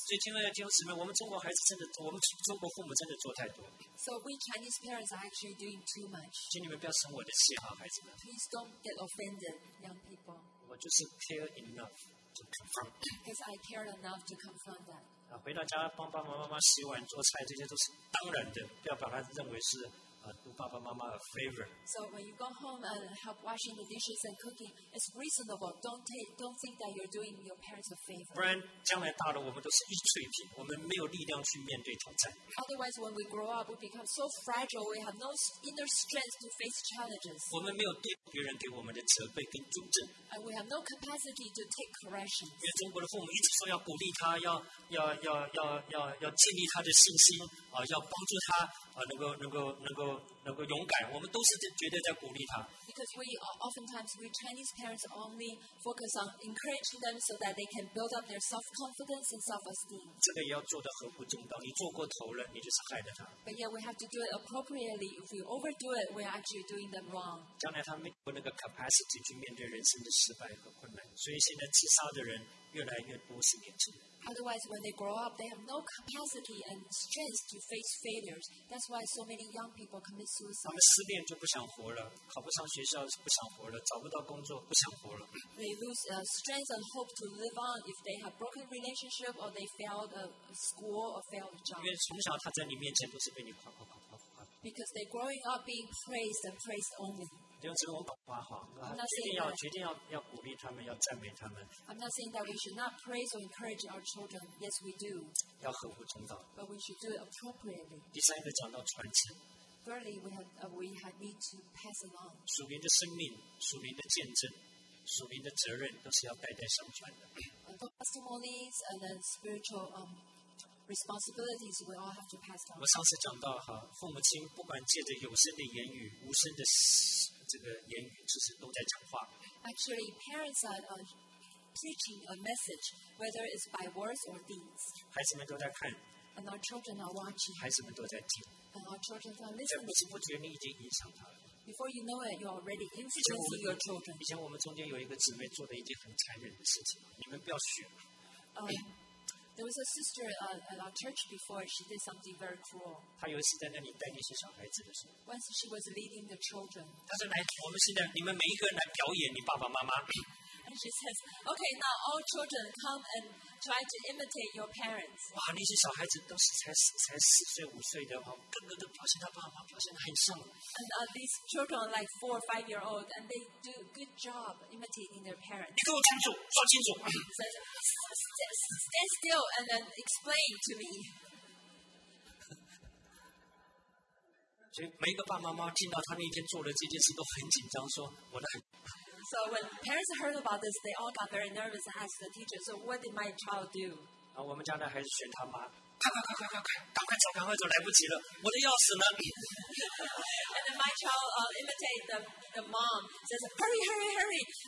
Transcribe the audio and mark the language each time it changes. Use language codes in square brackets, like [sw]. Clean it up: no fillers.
[zh] 所以，亲爱的弟兄姊妹，我们中国孩子真的，我们中国父母真的做太多。 [en] So we Chinese parents are actually doing too much. [zh] 请你们不要生我的气哈，孩子们。 [en] Please don't get offended, young people. [zh] 我就是 [en] care enough. Because I cared enough to confront that. [zh] 回到家帮爸爸妈妈洗碗做菜，这些都是当然的，不要把它认为是 [en] do [zh] 爸爸妈妈 [en] a favor. So when you go home and help washing the dishes and cooking, it's reasonable. Don't think that you're doing your parents a favor. [zh] 不然将来大了，我们都是一脆皮，我们没有力量去面对挑战。 [en] Otherwise, when we grow up, we become so fragile. We have no inner strength to face challenges. [zh] 我们没有对别人给我们的责备跟纠正。 [en] And we have no capacity to take correction. [zh] 因为中国的父母一直说要鼓励他，要建立他的信心啊，要帮助他。能够勇敢，我们都是绝对在鼓励他。 [en] Because we oftentimes we Chinese parents only focus on encouraging them so that they can build up their self confidence and self esteem. [zh] 这个也要做得合乎正道，你做过头了，你就是害了他。 [en] But yet we have to do it appropriately. If we overdo it, we are actually doing them wrong. [zh] 将来他没有那个 capacity 去面对人生的失败和困难，所以现在自杀的人越来越多，是年轻人。 [en] Otherwise, when they grow up, they have no capacity and strength to face failures. That's why so many young people commit suicide. [zh] 他们失恋就不想活了，考不上学校就不想活了，找不到工作不想活了。 [en] They lose strength and hope to live on if they have broken relationship or they failed a school or failed a job. [zh] 因为从小他在你面前都是被你夸夸夸夸夸。 [en] Because they growing up being praised and praised only. [zh] 就是我讲话哈，决定要鼓励他们，要赞美他们。 [en] I'm not saying that we should not praise or encourage our children. Yes, we do. [zh] 要合乎正道。 [en] But we should do it appropriately. [zh] 第三个讲到传承。 [en] Thirdly, we need to pass along. [zh] 属灵的生命、属灵的见证、属灵的责任，都是要代代相传的。 [en] The testimonies and the spiritual responsibilities we all have to pass on. [zh] 我上次讲到哈，父母亲不管借着有声的言语、无声的。这个言语就是都在讲话。 [en] Actually, parents are preaching a message, whether it's by words or deeds. [zh] 孩子们都在看。 [en] And our children are watching. [zh] 孩子们都在听。 [en] And our children are listening. [zh] 不知不觉你已经影响他了。 [en] Before you know it, you're already influencing your children. [zh] 以前我们中间有一个姊妹做了一件很残忍的事情，你们不要学。 [en] There was a sister at our church before. She did something very cruel. [zh] 她有一次在那里带那些小孩子的时候。 [en] Once she was leading the children. [zh] 她说：“来，我们现在你们每一个人来表演你爸爸妈妈。” [en] And she says, "Okay, now all children come and try to imitate your parents." [zh] 哇，那些小孩子都是才四岁五岁的，哈，个个都表现他爸爸表现得很像。 [en] And these children are like 4 or 5 year old, and they do a good job imitating their parents. [zh] 你给我站住，抓清楚。 [en] Stand still and then explain to me. [zh] 所以每个爸爸妈妈听到他那天做的这件事都很紧张，说我的。 [en] So when parents heard about this, they all got very nervous and asked the teacher, "So what did my child do?" [zh] 啊，我们家的孩子选他妈，快走，来不及了，我的钥匙呢？ [en] And then my child imitate the mom, says, "Hurry!